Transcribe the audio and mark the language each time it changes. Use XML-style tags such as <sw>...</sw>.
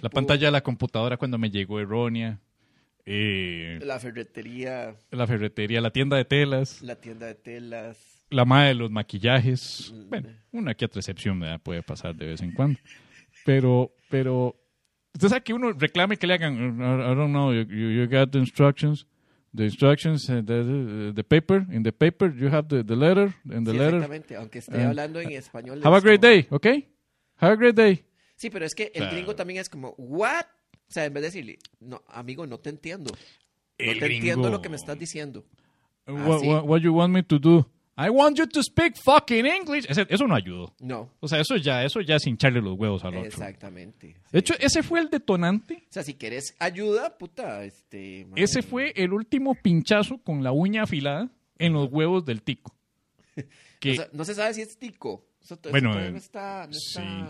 <es>La pantalla de la computadora cuando me llegó errónea. La ferretería. La tienda de telas. La madre de los maquillajes. Bueno, una que otra excepción me puede pasar de vez en cuando. Pero, ¿usted sabe que uno reclame que le hagan?</es> <en>I don't know, you got the instructions. The instructions, the paper, in the paper, you have the letter, in the</en> <es>sí,</es> <en>letter.</en> <es>Exactamente, aunque esté hablando en español.</es> <en>Have es a great como, day, okay? Have a great day.</en> <es>Sí, pero es que el gringo también es como, what? O sea, en vez de decirle, no, amigo, no te entiendo. No te entiendo lo que me estás diciendo.</es> <en>What you want me to do? I want you to speak fucking English.</en> <es>Eso no ayudó. No. O sea, eso ya es hincharle los huevos al otro. Exactamente. Sí, de hecho, sí. Ese fue el detonante. O sea, si querés ayuda, puta, ese fue el último pinchazo con la uña afilada en los huevos del tico. Que, o sea, no se sabe si es tico. Sí.</es>